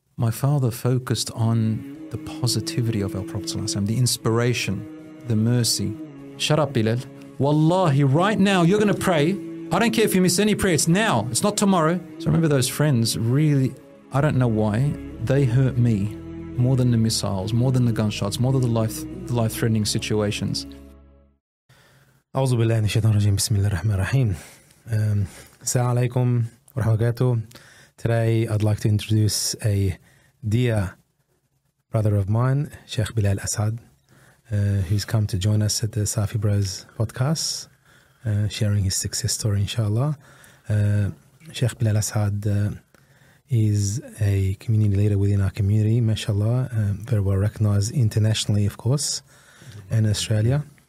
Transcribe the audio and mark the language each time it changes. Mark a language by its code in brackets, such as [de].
[en] My father focused on the positivity of our Prophet Sallallahu Alaihi Wasallam, the inspiration, the mercy. Shut up, Bilal. Wallahi, right now you're going to pray. I don't care if you miss any prayer. It's now. It's not tomorrow. So I remember those friends really, I don't know why, they hurt me more than the missiles, more than the gunshots, more than the life-threatening situations. [ar] أعوذ بالله من الشيطان الرجيم بسم الله الرحمن الرحيم السلام عليكم ورحمة الله وبركاته. [en] Today I'd like to introduce a dear brother of mine, Sheikh Bilal Asad, who's come to join us at the Safi Bros podcast, sharing his success story, inshallah. Sheikh Bilal Asad is a community leader within our community, mashallah, very well recognized internationally, of course, in Australia.